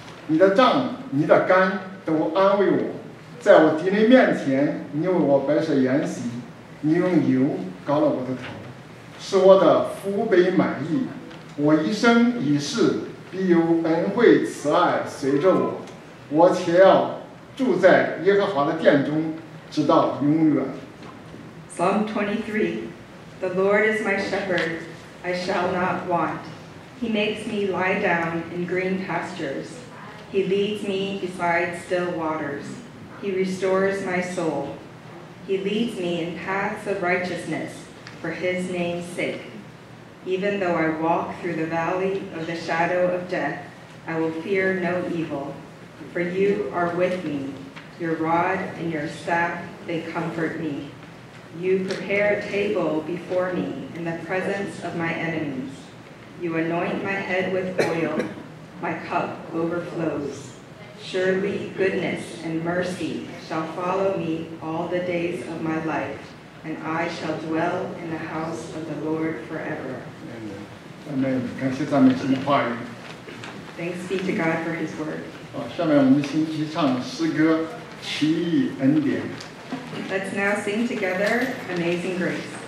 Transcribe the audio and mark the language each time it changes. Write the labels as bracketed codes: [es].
[zh] 你的杖、你的竿都安慰我，在我敌人面前，你为我摆设筵席，你用油膏了我的头，使我的福杯满溢。我一生一世必有恩惠慈爱随着我，我且要住在耶和华的殿中，直到永远。 [en] Psalm 23, The Lord is my shepherd, I shall not want. He makes me lie down in green pastures. He leads me beside still waters. He restores my soul. He leads me in paths of righteousness for his name's sake. Even though I walk through the valley of the shadow of death, I will fear no evil. For you are with me. Your rod and your staff, they comfort me. You prepare a table before me in the presence of my enemies. You anoint my head with oil. My cup overflows. Surely goodness and mercy shall follow me all the days of my life, and I shall dwell in the house of the Lord forever. [zh] Amen. 感谢赞美神的话语。 [en] Thanks be to God for His word. [zh] 下面我们一起唱诗歌奇异恩典。 [en] Let's now sing together Amazing Grace.